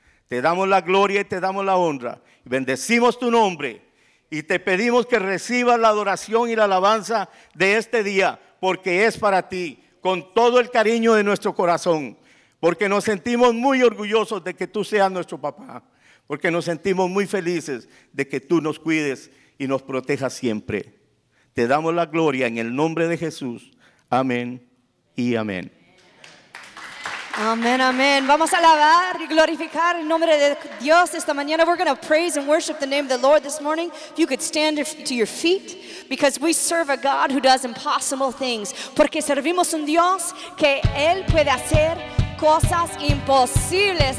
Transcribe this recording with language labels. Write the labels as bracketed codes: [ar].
[es] Te damos la gloria y te damos la honra. Bendecimos tu nombre y te pedimos que recibas la adoración y la alabanza de este día, porque es para ti, con todo el cariño de nuestro corazón, porque nos sentimos muy orgullosos de que tú seas nuestro papá, porque nos sentimos muy felices de que tú nos cuides y nos protejas siempre. Te damos la gloria en el nombre de Jesús. Amén y amén. Amén, amén. Vamos a alabar y glorificar el nombre de Dios esta mañana. [en] We're going to praise and worship the name of the Lord this morning. If you could stand to your feet, because we serve a God who does impossible things. [es] Porque servimos un Dios que Él puede hacer cosas imposibles.